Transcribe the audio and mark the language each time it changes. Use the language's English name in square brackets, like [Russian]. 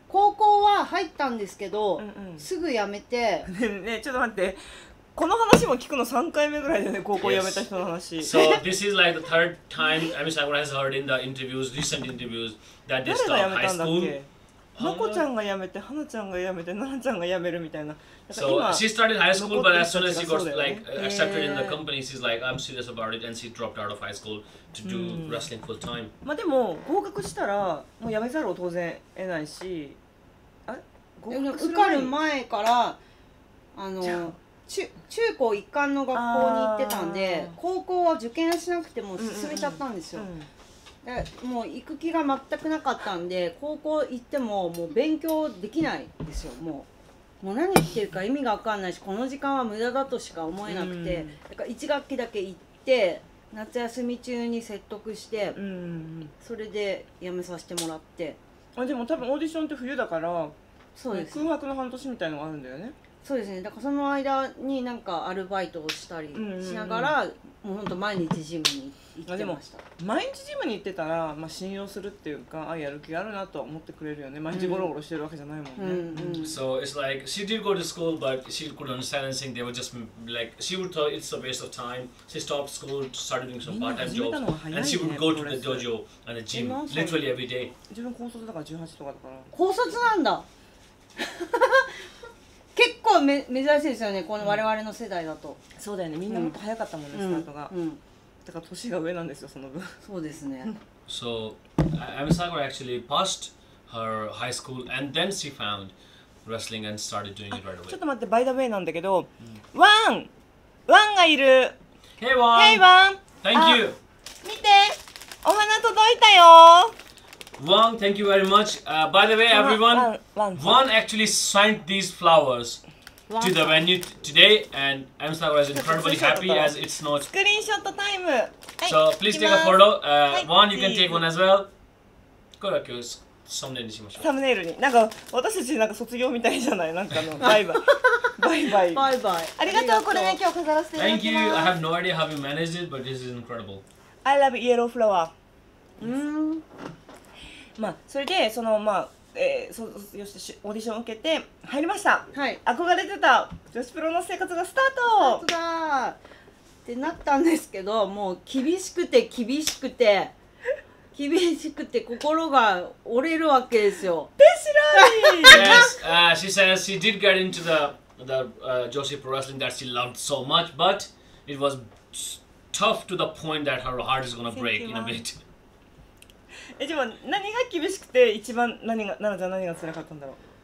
[Japanese] 高校は入ったんですけど、すぐ辞めて。ね、ちょっと待って。この話も聞くの3回目ぐらいでね、高校辞めた人の話。 [English] Yes. So this is like the third time Ami Sakura has heard in the interviews, recent interviews, that they stopped high school. [Japanese] のこちゃんが辞めて、はなちゃんが辞めて、ななちゃんが辞めるみたいな。 [English] So she started high school, but as soon as she got like accepted in the company, she's like, I'm serious about it, and she dropped out of high school to do wrestling full time. [Japanese] まあでも合格したらもう辞めざるを当然得ないし、あ、合格する受かる前からあの。中高一貫の学校に行ってたんで、高校は受験しなくても進めちゃったんですよ。で、もう行く気が全くなかったんで、高校行ってももう勉強できないですよ。もう何言ってるか意味が分かんないし、この時間は無駄だとしか思えなくて、だから1学期だけ行って夏休み中に説得して、それで辞めさせてもらって。あ、でも多分オーディションって冬だから、そうです、空白の半年みたいのがあるんだよね。そうですね、だからその間になんかアルバイトをしたりしながら、うんうんうん、もうほんと毎日ジムに行ってました。毎日ジムに行ってたら、まあ、信用するっていうか、あ、やる気があるなと思ってくれるよね。毎日ゴロゴロしてるわけじゃないもんね。 [English] So it's like she did go to school but she couldn't understand anything. They were just like she would thought it's a waste of time. She stopped school, started doing some part time jobs、 [Japanese] ね、 [English] and she would go to the dojo and the gym literally every day. [Japanese] 自分高卒だから18とかだから高卒なんだ結構珍しいですよね、この我々の世代だと、うん、そうだよね、みんなもっと早かったもんね、うん、スタートが、うん、だから年が上なんですよ、その分。そうですね。 [English] So, Ami Sakura actually passed her high school and then she found wrestling and started doing it right away. [Japanese] ちょっと待って、バイダウェイなんだけど、ワン、ワンがいる。 [English] Hey, ワン。 Hey, ワン。 Thank you. [Japanese] 見て、お花届いたよ。 [English] Wang, thank you very much. By the way, everyone, Wang actually signed these flowers. to the venue today and I'm so incredibly happy as it's not screenshot time. So please take a photo. One, you can take one as well. [Japanese] これは今日サムネイルにしましょう。サムネイルに。なんか私たちなんか卒業みたいじゃない？なんかのバイバイ。バイバイ。バイバイ。ありがとう、これね今日飾らせていただきます。 [English] Thank you. I have no idea how you managed it, but this is incredible. I love yellow flower. [Japanese] うん。まあそれでそのまあ。そよしオーディション受けて入りました、はい、憧れてた女子プロの生活がスタートだーってなったんですけど、もう厳しくて厳しくて厳しくて心が折れるわけですよ。ペシラーに [English] Yes, she says she did get into the 女子プロレスリングだ she loved so much, but it was tough to the point that her heart is gonna break in a bit. [Japanese] え、でも何が厳しくて一番何が、奈々ちゃん何が辛かったんだろう。